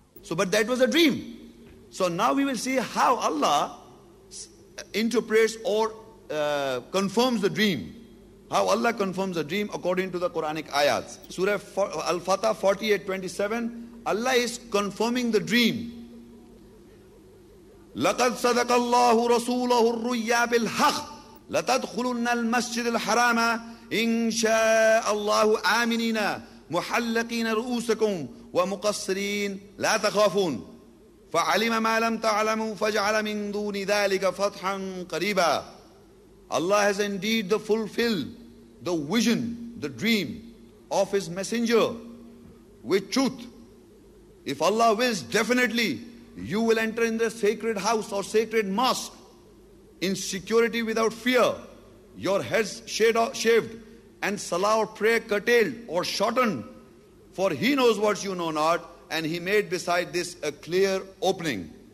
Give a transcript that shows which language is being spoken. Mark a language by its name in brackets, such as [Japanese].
[English] So, but that was a dream. So now we will see how Allah interprets or confirms the dream. How Allah confirms the dream according to the Quranic ayats. Surah Al-Fatah 48:27, Allah is confirming the dream. [Arabic] لَقَدْ صَدَقَ اللَّهُ رَسُولَهُ الرُّيَّا بِالْحَقِّ لَتَدْخُلُنَّ الْمَسْجِدِ الْحَرَامَ إن شاء الله آمنين محلقين رؤوسكم ومقصرين لا تخافون فعلم ما لم تعلموا فجعل من دون ذلك فتحا قريبا. [English] Allah has indeed fulfilled the vision, the dream of His messenger with truth. If Allah wills, definitely you will enter in the sacred house or sacred mosque in security without fear, your heads shaved, and salah or prayer curtailed or shortened, for He knows what you know not, and He made beside this a clear opening.